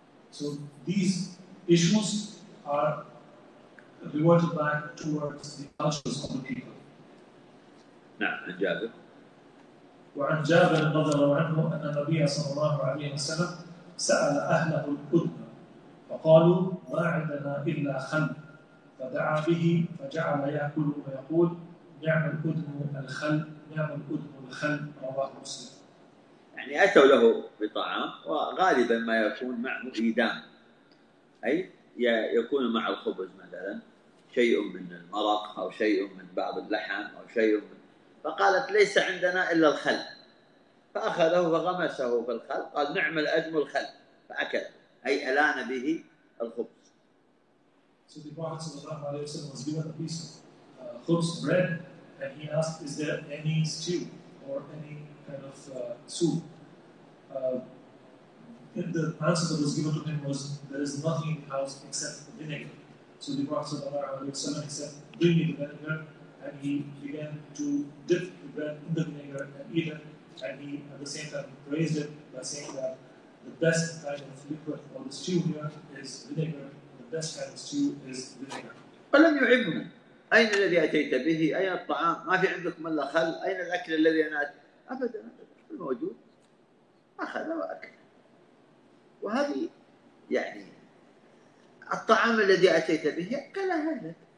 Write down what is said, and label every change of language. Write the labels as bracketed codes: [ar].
[en] So these issues are reverted back towards the cultures of the people. [ar] وعن جابر رضي الله عنه أن النبي صلى الله عليه وسلم سأل أهله الأذن فقالوا ما عندنا إلا خل فدعا به فجعل يأكل ويقول نعم الأذن الخل نعم الأذن الخل رواه مسلم. يعني أتوا له بطعام وغالبا ما يكون مع إيدام أي يكون مع الخبز مثلا شيء من المرق أو شيء من بعض اللحم أو شيء من فقالت ليس عندنا إلا الخل فأخذه فغمسه في الخل قال نعم الأذن الخل فأكل أي ألان به الخبز. [en] So the Prophet صلى الله عليه وسلم was given a piece of خبز bread and he asked is there any stew or any kind of soup. And the answer that was given to him was there is nothing in the house except vinegar. So the Prophet صلى الله عليه وسلم said bring me the vinegar and he began to dip the bread in the vinegar and eat it, and he at the same time praised it by saying that the best kind of liquid or the stew here is vinegar, the best kind of stew is vinegar. [ar] فلم يعبني أين الذي أتيت به؟ أين الطعام؟ ما في عندكم إلا خل؟ أين الأكل الذي أنا أتيت؟ أبداً الموجود أخذ وأكل. وهذه يعني الطعام الذي أتيت به أكل هذا.